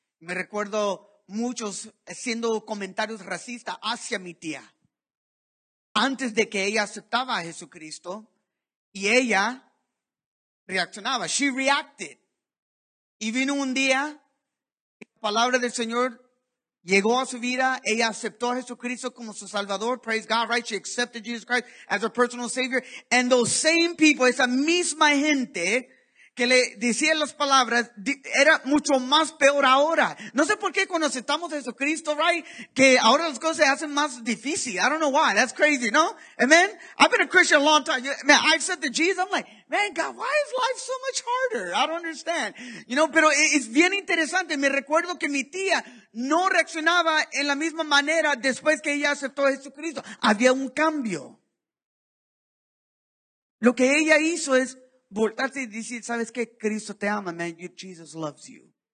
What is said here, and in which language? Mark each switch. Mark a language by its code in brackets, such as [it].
[es] Me recuerdo muchos haciendo comentarios racistas hacia mi tía antes de que ella aceptaba a Jesucristo, y ella reaccionaba. [en] She reacted. [es] Y vino un día, la palabra del Señor llegó a su vida. Ella aceptó a Jesucristo como su Salvador. [en] Praise God, right? She accepted Jesus Christ as her personal Savior. And those same people, [es] esa misma gente que le decía las palabras, era mucho más peor ahora. No sé por qué cuando aceptamos a Jesucristo, right, que ahora las cosas se hacen más difícil. [en] I don't know why. That's crazy, no? Amen? I've been a Christian a long time. Man, I accepted Jesus. I'm like, man, God, why is life so much harder? I don't understand. You know, [es] pero es bien interesante. Me recuerdo que mi tía no reaccionaba en la misma manera después que ella aceptó a Jesucristo. Había un cambio. Lo que ella hizo es voltarse y decir, ¿sabes qué? Cristo te ama, man. [en] Jesus loves you.